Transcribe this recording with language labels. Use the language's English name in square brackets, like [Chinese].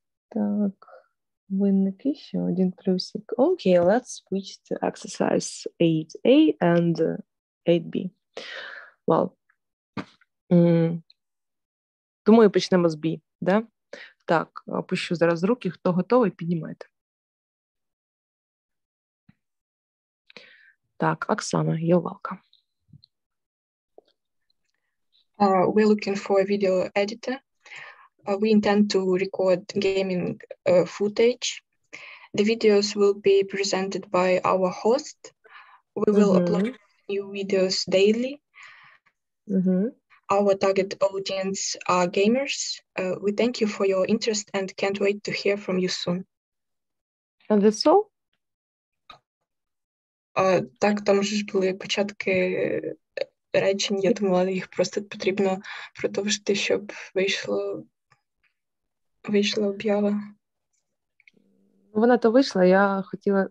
[Ukrainian] Так, Винник, еще один плюсик. [English] Okay, let's switch to exercise 8A and 8B. [Ukrainian] Well, думаю, почнемо з B, да? Так, опущу зараз руки, хто готовий, піднімайте. [English] Так, Оксана, you're welcome. We're looking for a video editor. We intend to record gaming footage. The videos will be presented by our host. We will upload new videos daily. Our target audience are gamers. We thank you for your interest and can't wait to hear from you soon. And that's all? [Ukrainian] Так, там же ж були початки... речень, я думала, їх просто потрібно продовжити, щоб вийшла об'ява. Вона то вийшла, я хотіла...